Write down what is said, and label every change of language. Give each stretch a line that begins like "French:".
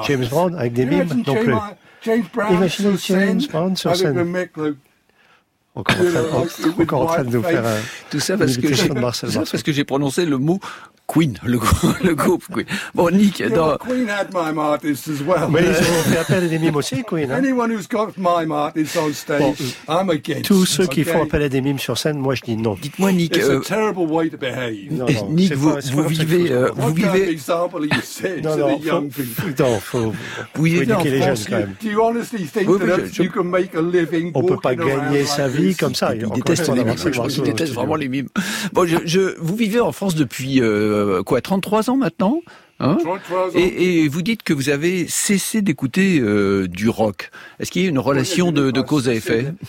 French: James Brown avec des mimes, non plus. Imaginez James Brown sur scène. Encore en train de nous faire tout ça parce que j'ai prononcé le mot Queen, le groupe Queen. Bon, Nick, dans...
English: Queen had mime artists as well.
French: Mais ils ont fait appel à des mimes aussi, Queen. Hein.
English: Anyone who's got mime artists on stage, bon, I'm against.
French: Tous ceux qui font appel à des mimes sur scène, moi je dis non. Dites-moi, Nick.
English: It's a terrible way to behave.
French: Non, Nick, vous vivez.
English: What kind of example are you setting to the young people?
French: Non, faut éduquer les jeunes quand même.
English: Do you honestly think that you can make a living?
French: On peut pas gagner sa vie comme ça. Il déteste les mimes. Je déteste vraiment les mimes. Bon, vous vivez en France depuis. Quoi, 33 ans maintenant, hein? 33 ans. Et vous dites que vous avez cessé d'écouter du rock. Est-ce qu'il y a une relation de cause à effet?